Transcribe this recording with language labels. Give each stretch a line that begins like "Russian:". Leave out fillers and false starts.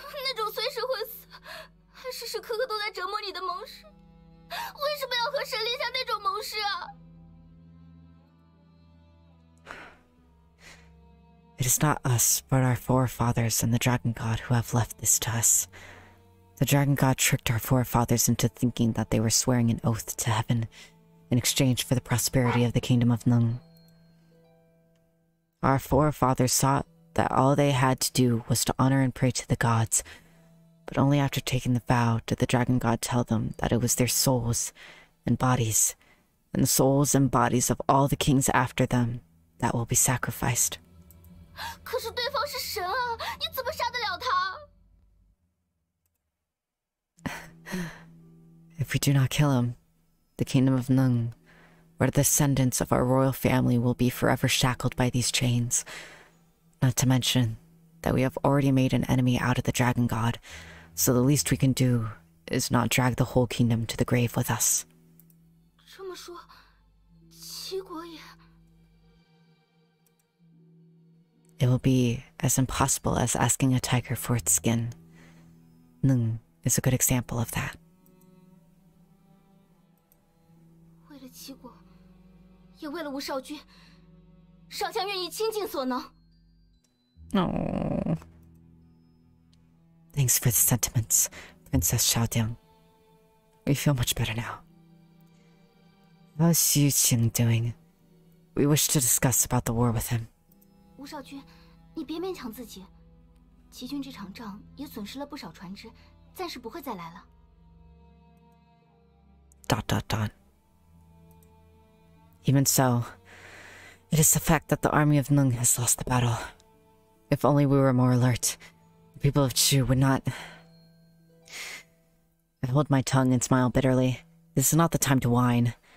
Chinese: 那种随时会死，还时时刻刻都在折磨你的盟誓，为什么要和神立下那种盟誓啊？
English: It is not us, but our forefathers and the dragon god who have left this to us. The dragon god tricked our forefathers into thinking that they were swearing an oath to heaven in exchange for the prosperity of the kingdom of Nung. Our forefathers thought that all they had to do was to honor and pray to the gods, but only after taking the vow did the dragon god tell them that it was their souls and bodies, and the souls and bodies of all the kings after them that will be sacrificed.
Chinese: 可是对方是神啊，你怎么杀得了他？
English: If we do not kill him, the kingdom of Nung, where the descendants of our royal family will be forever shackled by these chains. Not to mention that we have already made an enemy out of the dragon god, so the least we can do is not drag the whole kingdom to the grave with us.
Chinese: 么说，齐国也。
English: It will be as impossible as asking a tiger for its skin. Nung is a good example of that.
Chinese: 为了齐国，也为了吴少君，少将愿意倾尽所能。
English: No. Thanks for the sentiments, Princess Xiaodiang. We feel much better now. How's Yu Qing doing? We wish to discuss about the war with him.
Chinese: 吴少君，你别勉强自己。齐军这场仗也损失了不少船只，暂时不会再来了。
English: Dot dot dot. Even so, it is a fact that the army of Nung has lost the battle. If only we were more alert, the people of Chu would not... I hold my tongue and smile bitterly. This is not the time to whine.